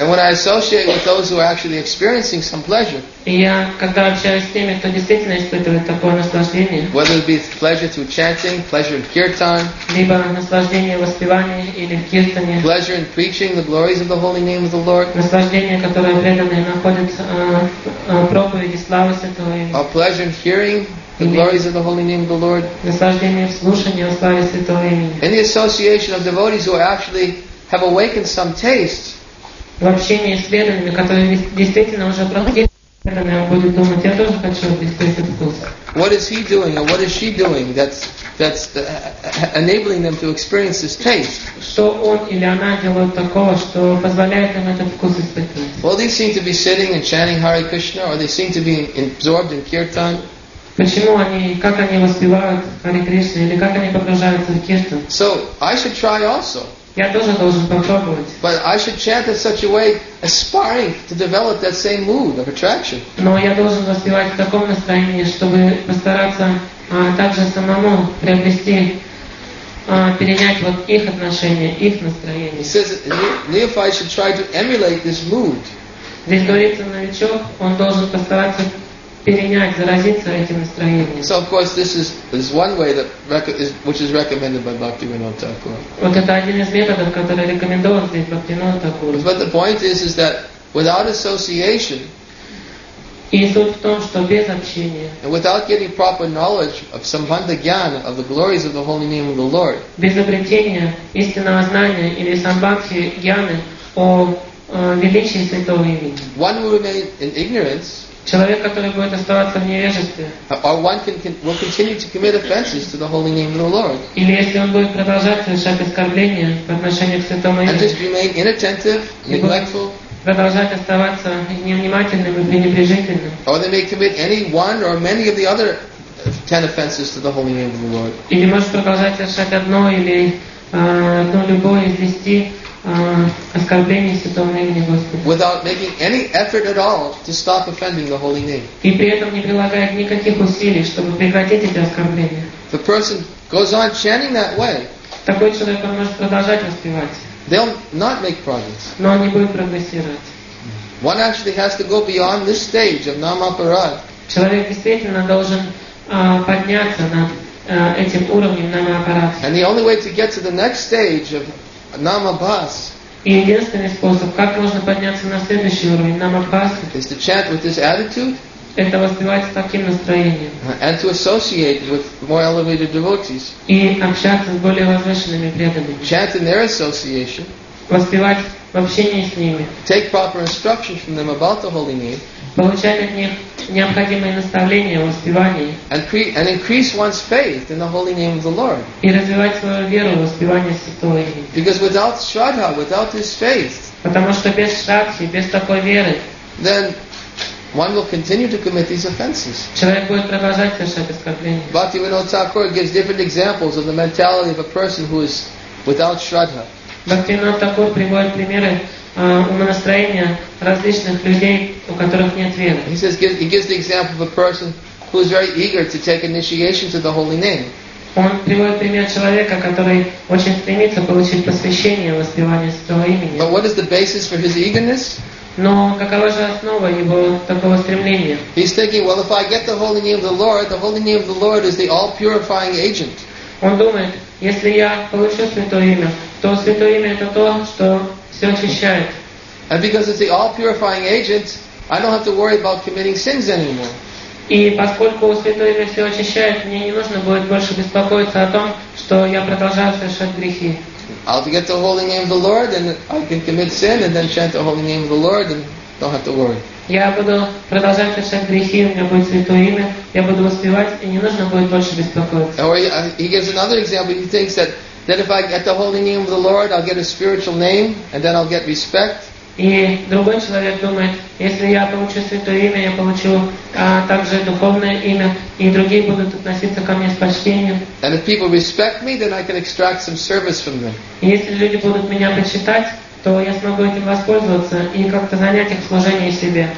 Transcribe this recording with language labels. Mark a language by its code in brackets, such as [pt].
[en] And when I associate with those who are actually experiencing some pleasure. [ru] И я, когда общаюсь с теми, кто действительно испытывает такое наслаждение. [en] Whether it be pleasure through chanting, pleasure in kirtan. [ru] Либо наслаждение в воспевании или в киртане. [en] Pleasure in preaching the glories of the holy name of the Lord. [ru] Наслаждение, которое преданные находят проповеди. [en] A pleasure in hearing the glories of the holy name of the Lord. In the association of devotees who actually have awakened some taste. [ru] В общении с преданными, которые действительно уже проходили, он будет думать, я тоже хочу испытать вкус. [en] What is he doing or what is she doing that's enabling them to experience this taste? [ru] Что он или она делает такого, что позволяет им этот вкус испытывать? [en] Well, they seem to be sitting and chanting Hare Krishna, or they seem to be absorbed in kirtan. [ru] Почему они, как они воспевают Hare Krishna, или как они погружаются в киртан? [en] So I should try also. [ru] Я тоже должен попробовать. [en] But I should chant in such a way, aspiring to develop that same mood of attraction. [ru] Но я должен воспевать в таком настроении, чтобы постараться также самому приобрести, перенять вот их отношение, их настроение. [en] He says, neophyte should try to emulate this mood. [ru] Здесь говорится, новичок, он должен постараться перенять, заразиться этим настроением. [en] So of course this is one way that which is recommended by Bhaktivinoda Thakur. [ru] Вот это один из методов, который рекомендован здесь Бхактивинода Такур. [en] But the point is that without association. [ru] И суть в том, что без общения. [en] And without getting proper knowledge of Sambandha Gyana, of the glories of the holy name of the Lord. [ru] Без обретения истинного знания или Самбхакти Гьяны о величии Святого Имени. [en] One will remain in ignorance. [ru] Человек, который будет оставаться в невежестве. [en] Or one will continue to commit offenses to the holy name of the Lord. [ru] Или если он будет продолжать совершать оскорбления по отношению к Святому Имени. [en] And just remain inattentive, neglectful. [ru] Продолжать оставаться невнимательным и пренебрежительным. [en] Or they may commit any one or many of the other 10 offenses to the holy name of the Lord. [ru] Или может продолжать совершать одно или одно любое из 10 оскорблений Святого Имени Господа. [en] Without making any effort at all to stop offending the holy name. [ru] И при этом не прилагает никаких усилий, чтобы прекратить эти оскорбления. [en] The person goes on chanting that way. [ru] Такой человек может продолжать воспевать. [en] They'll not make progress. [ru] Но они будут прогрессировать. [en] One actually has to go beyond this stage of Namaparad. [ru] Человек действительно должен подняться над этим уровнем Намапарад. [en] And the only way to get to the next stage of Namabhas. [ru] И единственный способ, как можно подняться на следующий уровень Намабхас, [en] is to chant with this attitude. [ru] Это воспевать с таким настроением. [en] And to associate with more elevated devotees. [ru] И общаться с более возвышенными преданными. [en] Chant in their association. [ru] Воспевать в общении с ними. [en] Take proper instructions from them about the holy name. [ru] Получать от них необходимые наставления в воспевании. [en] And increase one's faith in the holy name of the Lord. [ru] И развивать свою веру в воспевании Святого Имени. [en] Because without Shraddha, without this faith. [ru] Потому что без Шрадхи, без такой веры. [en] Then one will continue to commit these offenses. Bhaktivinoda Thakur gives different examples of the mentality of a person who is without Shraddha. [ru] Bhaktivinoda Thakur приводит примеры умонастроения различных людей, у которых нет веры. [en] He gives the example of a person who is very eager to take initiation to the holy name. [ru] Он приводит пример человека, который очень стремится получить посвящение воспевание Святого Имени. [en] But what is the basis for his eagerness? [ru] Но какова же основа его такого стремления? [en] He's thinking, well, if I get the holy name of the Lord, the holy name of the Lord is the all-purifying agent. [ru] Он думает, если я получу Святое Имя, то Святое Имя это то, что все очищает. [en] And because it's the all-purifying agent, I don't have to worry about committing sins anymore. [ru] И поскольку Святое Имя все очищает, мне не нужно будет больше беспокоиться о том, что я продолжаю совершать грехи. [en] I'll get the holy name of the Lord and I can commit sin and then chant the holy name of the Lord and don't have to worry. [ru] Я буду продолжать совершать грехи, у меня будет Святое Имя, я буду воспевать, и не нужно будет больше беспокоиться. [en] Or he gives another example. He thinks that if I get the holy name of the Lord, I'll get a spiritual name and then I'll get respect. [ru] И другой человек думает, если я получу Святое Имя, я получу также духовное имя, и другие будут относиться ко мне с почтением. [en] And if people respect me, then I can extract some service from them. [ru] И если люди будут меня почитать, то я смогу этим воспользоваться и как-то занять их служение себе.